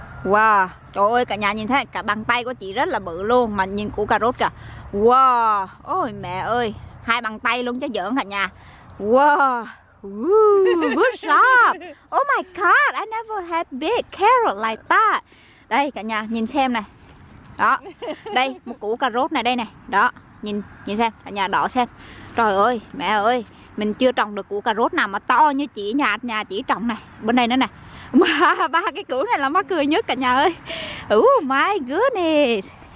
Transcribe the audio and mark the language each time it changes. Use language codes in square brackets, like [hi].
[vi] Wow, trời ơi, cả nhà nhìn thấy cả bàn tay của chị rất là bự luôn. Mà nhìn củ cà rốt kìa. Wow, ôi mẹ ơi. Hai bàn tay luôn chứ giỡn cả nhà. [en] Wow, good job. Oh my god, I never had big carrot like that. [vi] Đây, cả nhà nhìn xem này. Đó, đây, một củ cà rốt này đây này. Đó, nhìn xem, cả nhà đỏ xem. Trời ơi, mẹ ơi. Mình chưa trồng được củ cà rốt nào mà to như chị nhà chị trồng này. Bên đây nữa nè. Mà ba cái củ này là mắc cười nhất cả nhà ơi. [en] Oh my goodness.